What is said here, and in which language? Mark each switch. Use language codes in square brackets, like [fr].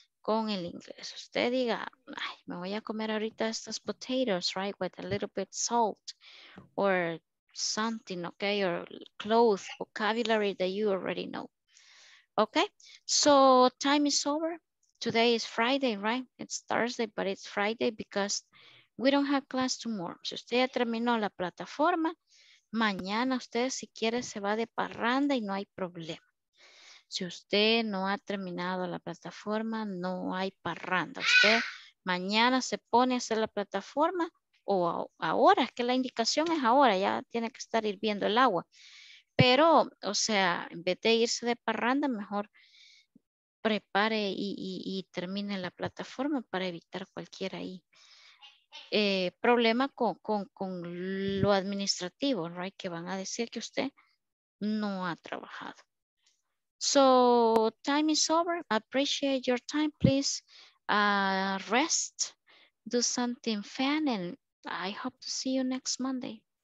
[es] Con el inglés. Usted diga, ay, me voy a comer ahorita estas [en] potatoes, right, with a little bit salt or something, okay, or clothes, vocabulary that you already know. Okay, so time is over. Today is Friday, right? It's Thursday, but it's Friday because we don't have class tomorrow. [es] Si usted ya terminó la plataforma, mañana usted si quiere se va de parranda y no hay problema. Si usted no ha terminado la plataforma, no hay parranda. Usted mañana se pone a hacer la plataforma o ahora, es que la indicación es ahora, ya tiene que estar hirviendo el agua. Pero, o sea, en vez de irse de parranda, mejor prepare y termine la plataforma para evitar cualquier ahí problema con lo administrativo, right? Que van a decir que usted no ha trabajado. [en] So time is over. Appreciate your time. Please rest, do something fun, and I hope to see you next Monday.